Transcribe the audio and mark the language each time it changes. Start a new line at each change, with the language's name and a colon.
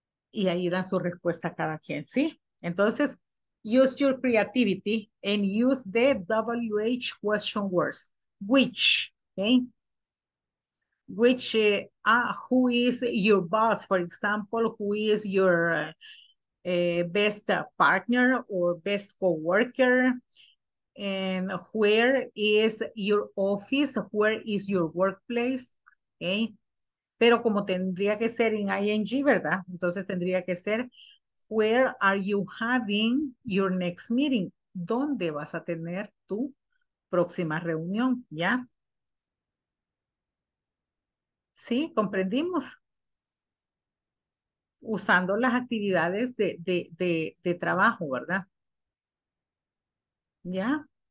Spanish: Y ahí dan su respuesta a cada quien, ¿sí?
English: Entonces, use your creativity and use the WH question words. Which, okay? Which, who is your boss? For example, who is your best partner or best coworker? And where is your office? Where is your workplace? Okay.
Spanish: Pero como tendría que ser en ING, ¿verdad? Entonces tendría que ser,
English: where are you having your next meeting?
Spanish: ¿Dónde vas a tener tu próxima reunión? ¿Ya? ¿Sí? ¿Comprendimos? Usando las actividades de trabajo, ¿verdad? ¿Ya?